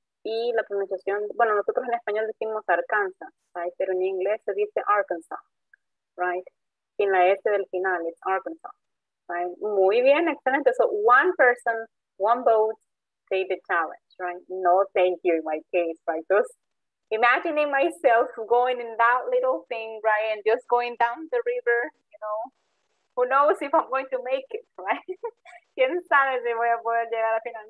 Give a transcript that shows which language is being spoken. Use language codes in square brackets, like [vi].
[es] Y la pronunciación, bueno, nosotros en español decimos Arkansas, [en] right? [es] Pero en inglés se dice Arkansas, [en] right? [es] Sin la S del final, [en] it's Arkansas, right? [es] Muy bien, excelente. [en] So one person, one boat, take the challenge, right? No, thank you in my case, right? Just imagining myself going in that little thing, right? And just going down the river, you know? Who knows if I'm going to make it, right? [es] ¿Quién sabe si voy a poder llegar al final?